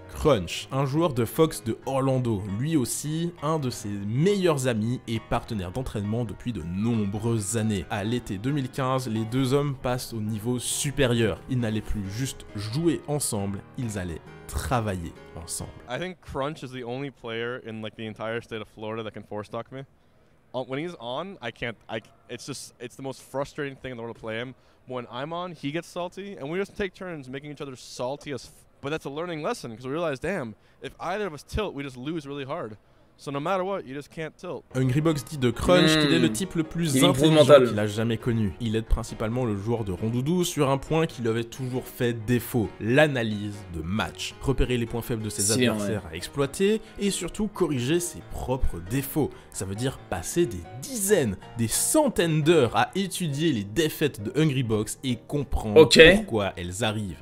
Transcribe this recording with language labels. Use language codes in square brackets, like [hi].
[fr] Crunch, un joueur de Fox de Orlando, lui aussi un de ses meilleurs amis et partenaire d'entraînement depuis de nombreuses années. À l'été 2015, les deux hommes passent au niveau supérieur. Ils n'allaient plus juste jouer ensemble, ils allaient travailler ensemble. [en] I think Crunch is the only player in like the entire state of Florida that can force talk me. When he's on, I can't. It's the most frustrating thing in the world to play him. When I'm on, he gets salty, and we just take turns making each other salty as. But that's a learning lesson because we realize, damn, if either of us tilt, we just lose really hard. So no matter what, you just can't tilt. [fr] Hungrybox dit de Crunch qu'il est le type le plus intelligent qu'il a jamais connu. Il aide principalement le joueur de Rondoudou sur un point qui lui avait toujours fait défaut, l'analyse de match. Repérer les points faibles de ses adversaires à exploiter et surtout corriger ses propres défauts. Ça veut dire passer des dizaines, des centaines d'heures à étudier les défaites de Hungrybox et comprendre pourquoi elles arrivent.